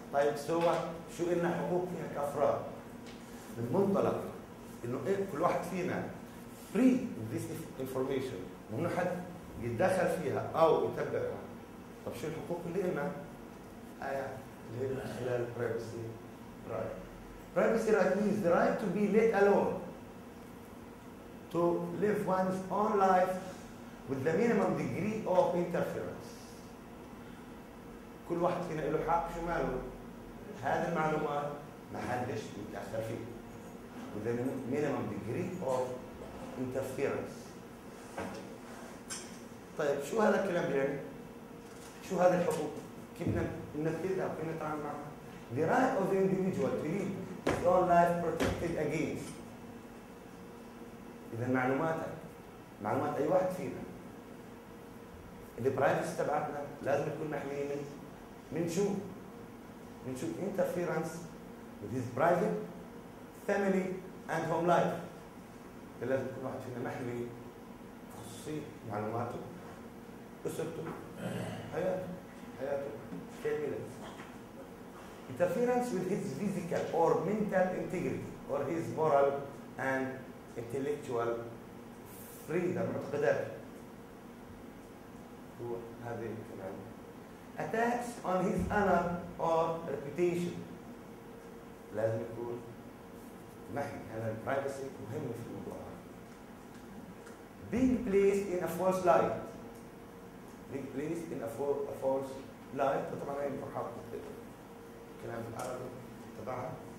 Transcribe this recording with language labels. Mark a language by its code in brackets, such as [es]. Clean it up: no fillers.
[ar] طيب سوى شو إلنا حقوق فيها كأفراد من منطلق إنه كل واحد فينا [en] free this information [ar] ممنوع حد يتدخل فيها أو يتبعها. طب شو الحقوق اللي إلنا؟ آية اللي هي من خلال privacy right. [en] Privacy right means the right to be let alone to live one's own life with the minimum degree of interference. [ar] كل واحد فينا له حق شو ماله؟ هذه المعلومات ما حدش يتأثر فيه. [en] With the minimum degree of interference. [ar] طيب شو هذا الكلام يعني؟ شو هذا الحقوق؟ كيف ننفذها؟ كيف نتعامل معها؟ [en] The right of the individual to live his own life protected against. [ar] إذا معلوماتك، معلومات أي واحد فينا. اللي برايفس تبعتنا لازم يكون محمي من شو؟ من شو؟ [en] Interference with his private family and home life. [ar] لازم يكون واحد فينا محمي خصوصية معلوماته، أسرته، حياته كاملة. [en] Interference with his physical or mental integrity or his moral and intellectual freedom. [ar] معتقدات هو هذه الكلام. [en] Attacks on his honor or reputation. [ar] لازم يكون محمي. هذا البرايفسي مهم في الموضوع. [en] Being placed in a false light. Being placed in a false light. [ar] طبعا هي المحاضرة الكلام العربي تبعها.